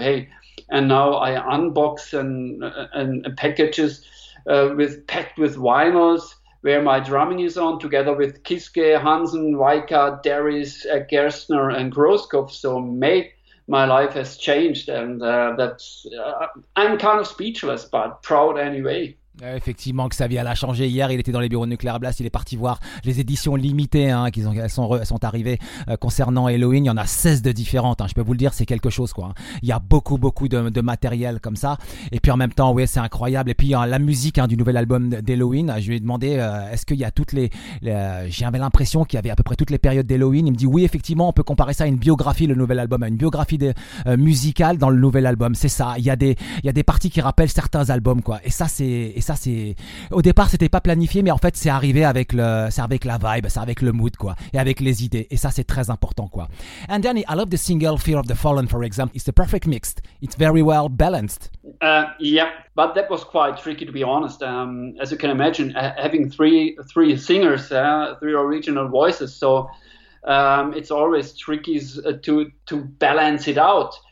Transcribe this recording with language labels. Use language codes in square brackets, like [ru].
[en] Hey, and now I unbox and packages packed with vinyls where my drumming is on, together with Kiske, Hansen, Weika, Darius, Gerstner, and Groskopf. So, mate, my life has changed, and I'm kind of speechless, but proud anyway. [fr] Effectivement que sa vie elle a changé. Hier il était dans les bureaux de Nuclear Blast, il est parti voir les éditions limitées hein, qu'elles sont arrivées concernant Halloween. Il y en a 16 de différentes hein. Je peux vous le dire, c'est quelque chose quoi. Il y a beaucoup beaucoup de matériel comme ça, et puis en même temps ouais, c'est incroyable. Et puis hein, la musique hein, du nouvel album d'Halloween, je lui ai demandé est-ce qu'il y a toutes les j'avais l'impression qu'il y avait à peu près toutes les périodes d'Halloween. Il me dit oui, effectivement on peut comparer ça à une biographie, le nouvel album à une biographie musicale dans le nouvel album. C'est ça, il y a des parties qui rappellent certains albums quoi, et ça c'est au départ c'était pas planifié, mais en fait c'est arrivé avec le c'est avec la vibe, c'est avec le mood quoi, et avec les idées, et ça c'est très important quoi. [en] And Danny, I love the single Fear of the Fallen, for example. It's the perfect mix, it's very well balanced. But that was quite tricky, to be honest. As you can imagine, having three singers, three original voices, so it's always tricky to balance it out.